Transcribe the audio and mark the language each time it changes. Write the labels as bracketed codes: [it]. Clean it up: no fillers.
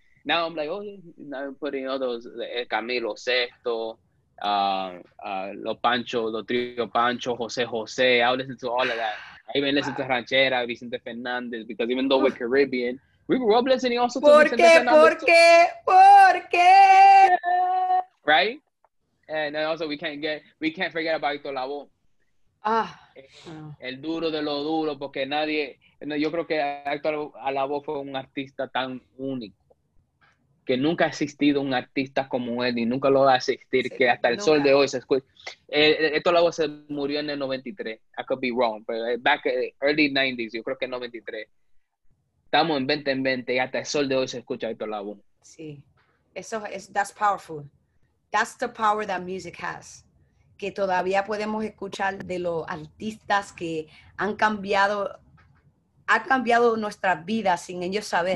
[en] Now I'm like, now I'm putting all those, El Camilo Sexto, Los Pancho, Los Trio Pancho, José, I listen to all of that. I even listen to Ranchera, Vicente Fernandez, because even though we're Caribbean, we grew up listening also to Vicente Fernandez. [es] ¿Por qué? [en] Yeah. Right? And then also we can't forget about Hito Labo. [es] El duro de lo duro, porque nadie, no, yo creo que Hito Labo fue un artista tan único, que nunca ha existido un artista como él, y nunca lo va a existir, sí, que hasta el sol de hoy se escucha. Esto luego se murió en el 93. [en] I could be wrong, but back in early 90s, [es] yo creo que en 93. Estamos en 2020, y hasta el sol de hoy se escucha Hito Labo. Sí. [en] That's powerful. That's the power that music has. [es] Que todavía podemos escuchar de los artistas que han cambiado nuestras vidas sin ellos saber.